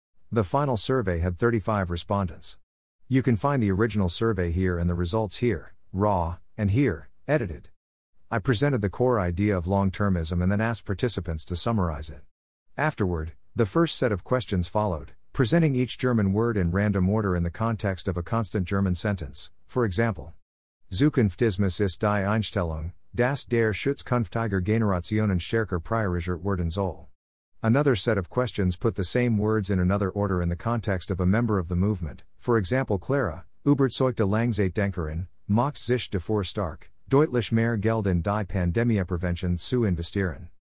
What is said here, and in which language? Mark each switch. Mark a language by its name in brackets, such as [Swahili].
[English] The final survey had 35 respondents. You can find the original survey here and the results here, raw, and here, edited. I presented the core idea of long-termism and then asked participants to summarize it. Afterward, the first set of questions followed, presenting each German word in random order in the context of a constant German sentence. For example, [German] Zukunftismus ist die Einstellung, das der Schutzkunftiger Generationen stärker priorisiert werden soll. [English] Another set of questions put the same words in another order in the context of a member of the movement. For example, [German] Clara, überzeugte Langzeitdenkerin, macht sich dafür stark, deutlich mehr Geld in die Pandemieprävention zu investieren.